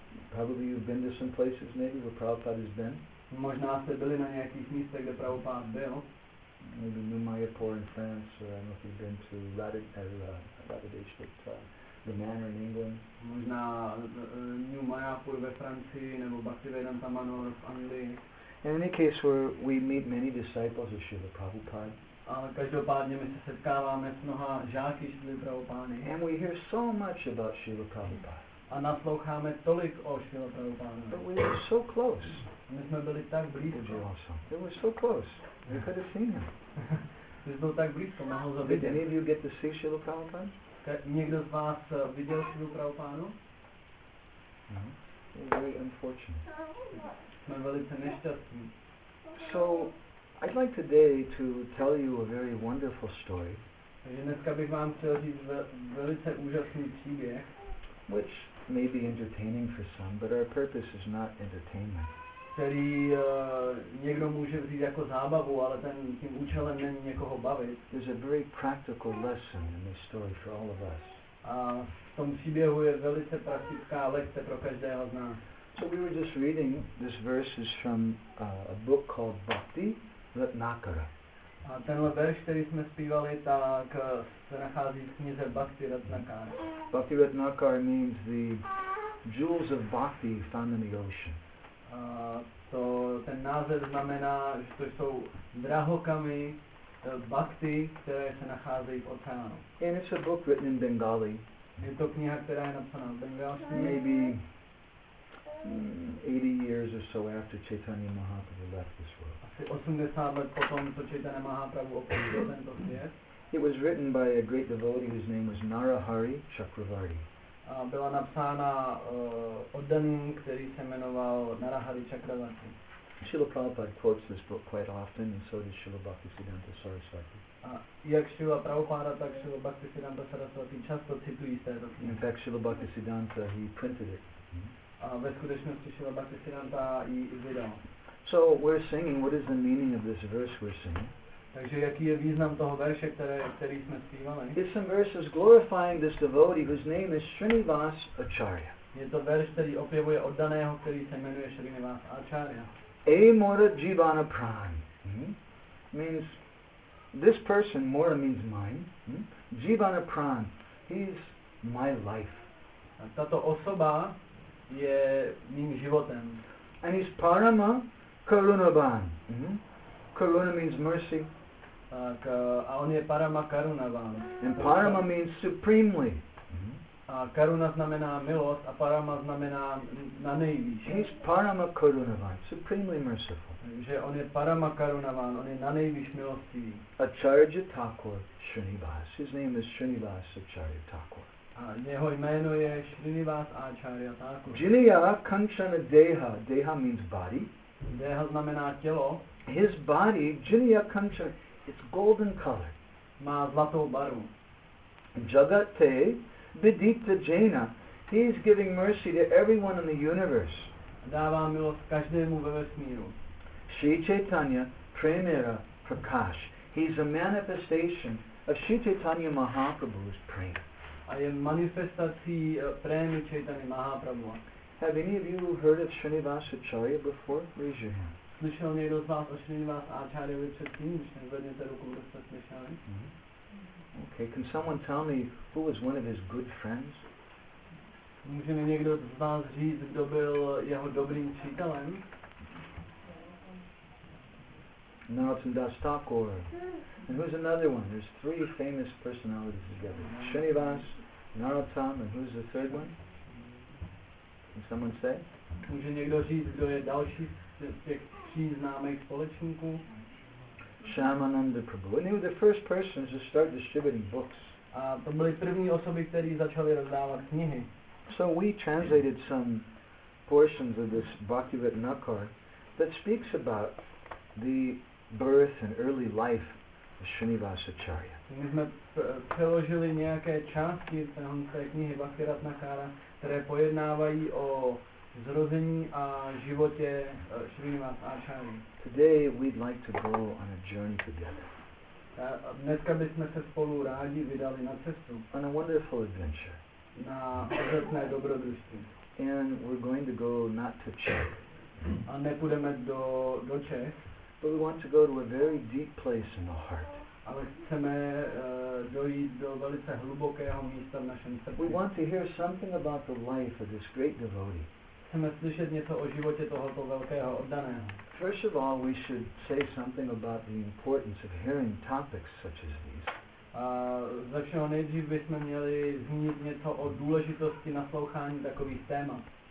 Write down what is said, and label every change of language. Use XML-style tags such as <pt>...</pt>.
<en>Probably you've been to some places maybe where Prabhupada has been.</en> <cs>Možná jste byli na nějakých místech, kde Prabhupád byl.</cs> <en>Maybe New Mayapur in France, or I don't know if you've been to Radish, but the Manor in England.</en> <cs>Možná New Mayapur ve Francii, nebo Bhaktivedanta Manor v Anglii.</cs> <en>In any case, where we meet many disciples of Srila Prabhupada.</en> <cs>Ale každopádně my se setkáváme s mnoha žáky Srila Prabhupády.</cs> <en>And we hear so much about Srila Prabhupada.</en> <cs>A nasloucháme tolik o Srila Prabhupádě.</cs> <en>But we are so close.</en> <cs>My jsme byli tak blízko.</cs> <en>It was so close. You could have seen him.</en> <cs>Jsi byl tak blízko, mohl ho vidět.</cs> <en>Did any of you get to see Srila Prabhupada?</en> <cs>Někdo z vás viděl Srila Prabhupádu?</cs> <en>No. It was very unfortunate.</en> <cs>Jsme velice nešťastní.</cs> <en>So, I'd like today to tell you a very wonderful story.</en> <cs>Takže dneska bych vám chtěl říct velice úžasný příběh.</cs> <en>Which may be entertaining for some, but our purpose is not entertainment.</en> <cs>Který někdo může vzít jako zábavu, ale tím účelem není někoho bavit.</cs> <en>There's a very practical lesson in this story for all of us.</en> <cs>A v tom příběhu je velice praktická lekce pro každého z nás.</cs> <en>So we were just reading this verse is from a book called Bhakti Ratnakara.</en> <cs>A tenhle verš, který jsme zpívali, tak se nachází v knize Bhakti Ratnakara.</cs> <en>Bhakti Ratnakara means the jewels of bhakti found in the ocean.</en> <cs>To ten název znamená, že to jsou drahokamy bhakti, které se nacházejí v oceánu.</cs> <en>And it's a book written in Bengali.</en> <cs>Je to kniha, která je napsaná v bengalsky.</cs> <en>Maybe 80 years or so after Chaitanya Mahaprabhu left this world.</en> <cs>Asi 80 let potom, co Chaitanya Mahaprabhu opustil tento svět.</cs> <en>It was written by a great devotee whose name was Narahari Chakravarti.</en> <cs>Byla napsána oddaným, který se jmenoval Narahari Chakravarti.</cs> <en>Srila Prabhupada quotes this book quite often, and so does Srila Bhaktisiddhanta Sarasvati.</en> <cs>Jak Srila Prabhupada, tak Srila Bhaktisiddhanta Sarasvati často citují z této knihy.</cs> <en>In fact, Srila Bhaktisiddhanta, he printed it.</en> <cs>Ve skutečnosti Srila Bhaktisiddhanta ji vydal.</cs> <en>So we're singing, what is the meaning of this verse we're singing?</en> <cs>Takže jaký je význam toho verše, který jsme zpívali?</cs> <en>It's some verses glorifying this devotee whose name is Srinivas Acharya.</en> <cs>Je to verš, který opěvuje oddaného, který se jmenuje Srinivas Acharya.</cs> <bn>Amora Jivana Pran</bn> <en>means this person, Mora means mine. Jivana Pran, he's my life.</en> <cs>A tato osoba je mým životem.</cs> <en>And he's Parama Karunavan. Karuna means mercy.</en> <cs>Tak, a on je Parama Karunavan.</cs> <en>And Parama means supremely.</en> <cs>A Karuna znamená milost a Parama znamená na nejvýš.</cs> <en>He's Parama Karunavan, supremely merciful.</en> <cs>Takže on je Parama Karunavan, on je na nejvýš milostivý.</cs> <en>Acharya Thakur Srinivas. His name is Srinivas Acharya Thakur.</en> <cs>A jeho jméno je Srinivas Acharya Thakur.</cs> <bn>Jiniya Kanchana Deha.</bn> <en>Deha means body.</en> <cs>Deha znamená tělo.</cs> <en>His body, Jinya Kancha, it's golden color.</en> <cs>Má zlatou barvu.</cs> <bn>Jagate Vidita Jaina,</bn> <en>he is giving mercy to everyone in the universe.</en> <cs>Dává milost každému ve vesmíru.</cs> <bn>Sri Chaitanya Premira Prakash,</bn> <en>he's a manifestation of Sri Chaitanya Mahaprabhu's prema.</en> <cs>A je manifestací prémy Chaitanya Mahaprabhu.</cs> <en>Have any of you heard of Srinivas Acharya before? Raise your hand.</en> <cs>Slyšel někdo z vás o Srinivas Acharyovi předtím, když nezvedněte ruku, kdo jste slyšeli?</cs> <en>Okay, can someone tell me who was one of his good friends?</en> <cs>Může mi někdo z vás říct, kdo byl jeho dobrým přítelem?</cs> <en>Narottam Das Thakur. And who's another one? There's three famous personalities together. Srinivas, Narottam, and who's the third one? Can someone say?</en> <cs>Může někdo říct, kdo je další z těch tří známých společníků?</cs> <en>Shyamananda Prabhu. And they were the first persons to start distributing books.</en> <cs>A to byly první osoby, které začaly rozdávat knihy.</cs> <en>So we translated some portions of this Bhaktivet Nakar that speaks about the birth and early life of Srinivas Acharya.</en> <cs>My jsme přeložili nějaké části té knihy Bhaktivet Nakara, které pojednávají o zrození a životě Srinivas Acharya.</cs> <en>Today we'd like to go on a journey together.</en> <cs>Dneska bychom se spolu rádi vydali na cestu.</cs> <en>On a wonderful adventure.</en> <cs>Na úžasné dobrodružství.</cs> <en>And we're going to go not to Czech.</en> <cs>A nepůjdeme do Čech.</cs> <en>But we want to go to a very deep place in the heart.</en> <cs>Ale chceme dojít do velice hlubokého místa v našem srdci.</cs> <en>We want to hear something about the life of this great devotee.</en> <cs>Chceme slyšet něco o životě tohoto velkého oddaného.</cs> <en>First of all, we should say something about the importance of hearing topics such as these.</en> <cs>Ze všeho nejdřív bychom měli zmínit něco o důležitosti naslouchání takových témat.</cs>